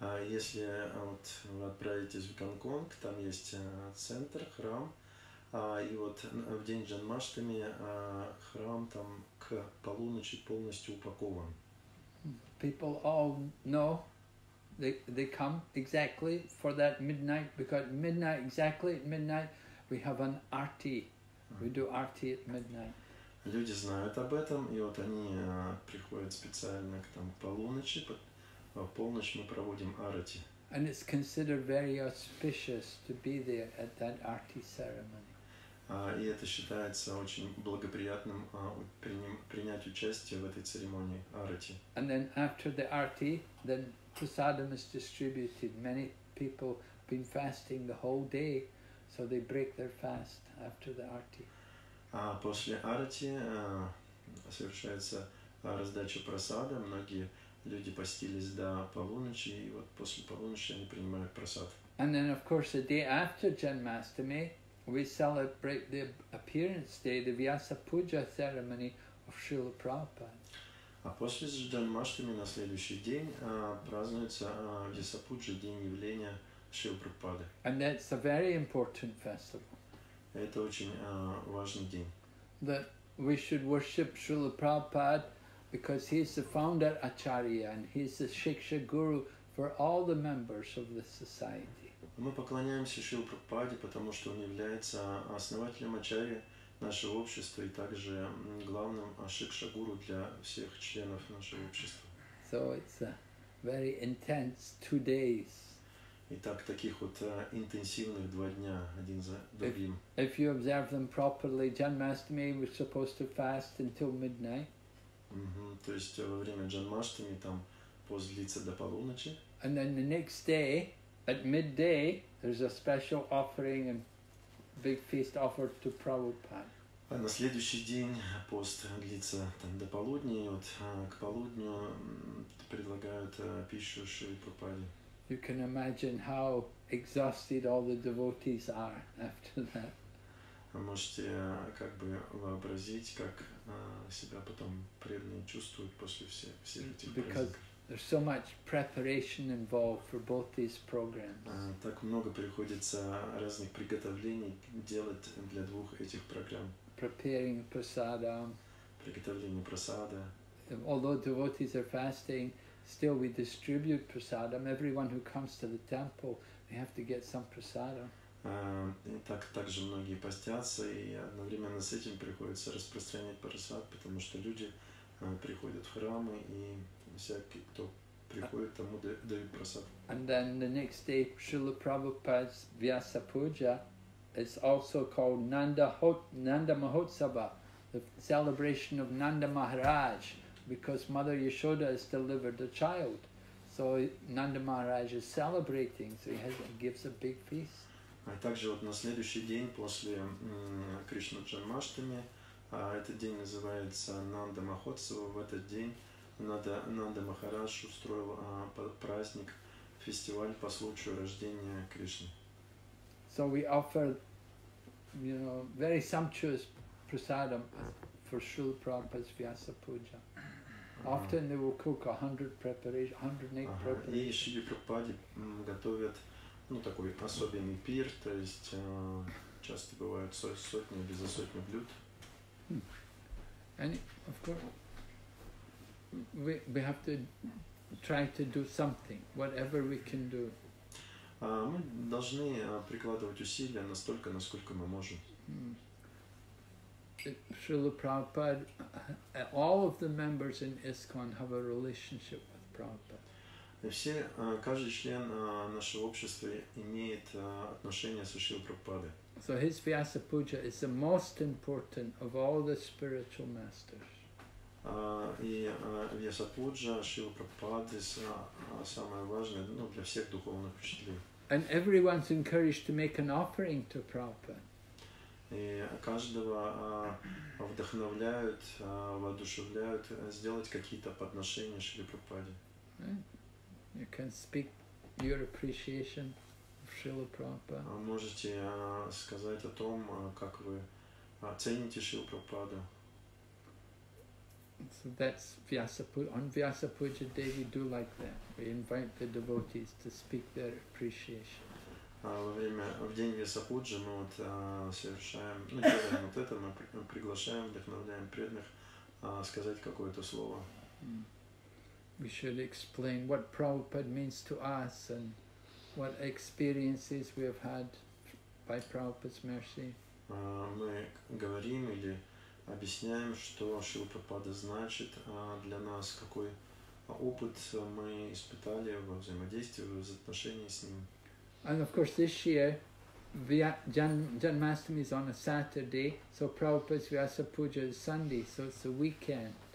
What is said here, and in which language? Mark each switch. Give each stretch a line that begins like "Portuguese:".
Russian: Если вот вы отправитесь в Гонконг, там есть центр, храм, и вот в день Джанмаштами храм там к полуночи полностью упакован.
English: People all know, they come exactly for that midnight, because midnight, exactly at midnight, we have an arti. We do arti at midnight.
Russian: Люди знают об этом, и вот они приходят специально к там полуночи. В полночь мы проводим арати.
English: And it's considered very auspicious to be there at that arti ceremony.
Russian: И это считается очень благоприятным принять участие в этой церемонии арати.
English: And then after the arti, then prasadam is distributed. Many people have been fasting the whole day, so they break their fast after the arti.
Russian: А после арати совершается раздача прасада. Многие люди постились до полуночи, и вот после полуночи они принимают прасад.
English: And then, of course, the day after Janmashtami, we celebrate the appearance day, the Vyasa Puja ceremony of Srila Prabhupada.
Russian: А после Janmashtami на следующий день празднуется Vyasa Puja, день явления Шрилы Прабхупады.
English: And that's a very important festival.
Russian: Это очень важный день.
English: That we should worship Srila Prabhupada, because he is the founder acharya and he is the shiksha guru for all the members of the society.
Russian: Мы поклоняемся Шриле Прабхупаде, потому что он является основателем ачарьи нашего общества и также главным шикша гуру для всех членов нашего общества.
English: So it's a very intense 2 days.
Russian: Итак, таких вот интенсивных 2 дня один за другим.
English: If you observe them properly, Janmashtami, we're supposed to fast until midnight.
Russian: То есть во время Джанмаштами там пост длится до полуночи.
English: And then the next day, at midday, there's a special offering and big feast offered to Prabhupada.
Russian: А на следующий день пост длится там до полудня, и вот к полудню предлагают пищу Шриле Прабхупаде.
English: You can imagine how exhausted all the devotees are after that.
Russian: Вы можете как бы вообразить, как себя потом преданные чувствуют после всех этих
English: Because
Russian: праздников.
English: There's so much preparation involved for both these programs.
Russian: Так много приходится разных приготовлений делать для двух этих программ.
English: Preparing prasadam.
Russian: Приготовление прасада.
English: Although devotees are fasting, still we distribute prasadam. Everyone who comes to the temple, they have to get some prasadam.
Russian: Также многие постятся, и одновременно с этим приходится распространять парасад, потому что люди приходят в храмы, и всякий, кто приходит, тому дают парасад.
English: And then the next day, Srila Prabhupada's Vyasa Puja is also called Nanda Mahotsava, the celebration of Nanda Maharaj, because Mother Yashoda has delivered a child. So Nanda Maharaj is celebrating, so he gives a big feast.
Russian: А также вот на следующий день после Кришна Джанмаштами, этот день называется Нанда Махотсава, в этот день Нанда Махарадж устроил праздник, фестиваль по случаю рождения Кришны.
English: So we offer, you know, very sumptuous prasadam for Srila Prabhupada's Vyasa Puja. Often they will cook 108 preparations.
Russian: И Шри Прабхупаде готовят, ну, такой особенный пир, то есть часто бывают сотни, без сотни блюд.
English: And of course, we have to try to do something, whatever we can do.
Russian: Мы должны прикладывать усилия настолько, насколько мы можем.
English: Srila Prabhupada, all of the members in ISKCON have a relationship with Prabhupada.
Russian: Все, каждый член нашего общества имеет отношение со Шрилой Прабхупадой.
English: So his Vyasa Puja is the most important of all the spiritual masters.
Russian: И Vyasa Puja Шрилы Прабхупады самое важное, ну, для всех духовных учителей.
English: And everyone's encouraged to make an offering to Prabhupada.
Russian: И каждого вдохновляют, воодушевляют сделать какие-то подношения Шри Прабхупаде.
English: You can speak your appreciation of Шрилу Прабхупаду.
Russian: Можете сказать о том, как вы цените Шрилу Прабхупаду.
English: So that's Vyasa Puja. On Vyasa Puja day we do like that. We invite the devotees to speak their appreciation.
Russian: В день Вьясапуджи мы вот совершаем, ну, делаем вот это, мы приглашаем, вдохновляем преданных сказать какое-то слово.
English: We should explain what Prabhupada means to us and what experiences we have had by Prabhupada's mercy.
Russian: Мы говорим или объясняем, что Шрила Прабхупада значит для нас, какой опыт мы испытали во взаимодействии, в отношении с ним.
English: And of course this year Janmashtami is on a Saturday, so Prabhupada's Vyasa Puja is Sunday, so it's a weekend.